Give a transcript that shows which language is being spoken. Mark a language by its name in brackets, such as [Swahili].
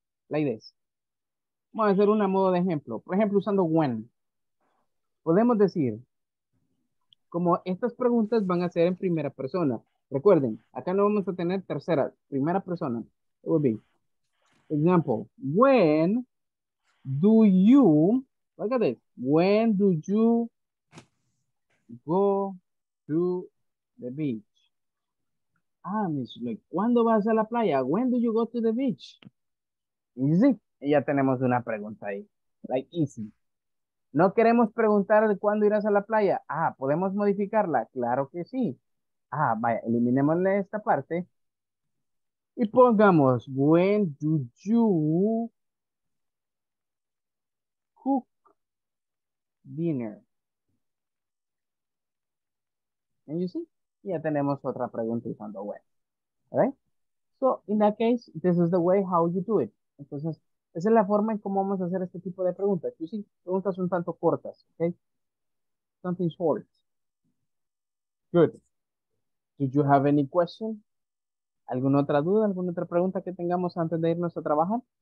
[English] Like this. [Spanish] Vamos a hacer una modo de ejemplo. Por ejemplo, usando when. Podemos decir, como estas preguntas van a ser en primera persona. Recuerden, acá no vamos a tener tercera, primera persona. [English] It will be. Example, when do you, look at this, when do you go to the beach? [Spanish] Ah, Miss Lee, ¿cuándo vas a la playa? [English] When do you go to the beach? Easy. [Spanish] Y ya tenemos una pregunta ahí. [English] Like easy. [Spanish] No queremos preguntar de cuándo irás a la playa. Ah, ¿podemos modificarla? Claro que sí. Ah, vaya, eliminémosle esta parte. Y pongamos, [English] when do you cook dinner? And you see? [Spanish] Y ya tenemos otra pregunta usando when. Right? [English] So, in that case, this is the way how you do it. [Spanish] Entonces, esa es la forma en cómo vamos a hacer este tipo de preguntas. Yo sí, preguntas un tanto cortas, ¿ok? [English] Something short. [Spanish] Good. [English] Do you have any question? [Spanish] ¿Alguna otra duda, alguna otra pregunta que tengamos antes de irnos a trabajar?